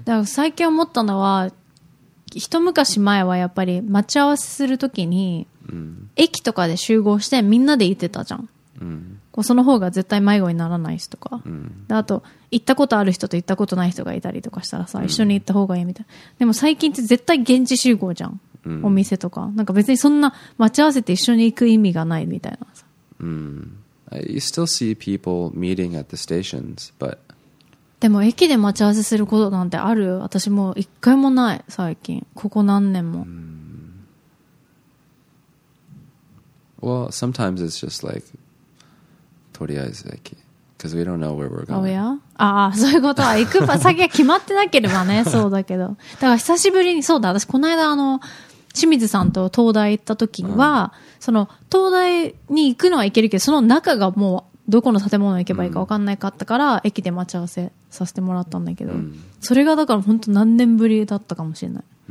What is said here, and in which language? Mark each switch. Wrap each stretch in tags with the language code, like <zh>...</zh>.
<ja>だから最近思ったのは、一昔前はやっぱり待ち合わせするときに、駅とかで集合してみんなで行ってたじゃん。こうその方が絶対迷子にならないしとか。で、あと、行ったことある人と行ったことない人がいたりとかしたらさ、一緒に行った方がいいみたいな。でも最近って絶対現地集合じゃん。お店とか、なんか別にそんな待ち合わせて一緒に行く意味がないみたいなさ。</ja> <en>You still see people meeting at the stations, but</en> <ja>でも駅で待ち合わせすることなんてある？私もう一回もない最近、ここ何年も。</ja> <en>Well, sometimes it's just like</en> <ja>とりあえず駅、</ja> <en>because we don't know where we're going. Oh yeah?</en> <ja>ああ、そういうことは行く先が決まってなければね、そうだけど。だから久しぶりにそうだ、私この間あの。清水さんと東大行った時には、その東大に行くのは行けるけど、その中がもうどこの建物に行けばいいか分かんないかったから、駅で待ち合わせさせてもらったんだけど、それがだから本当何年ぶりだったかもしれない。</ja>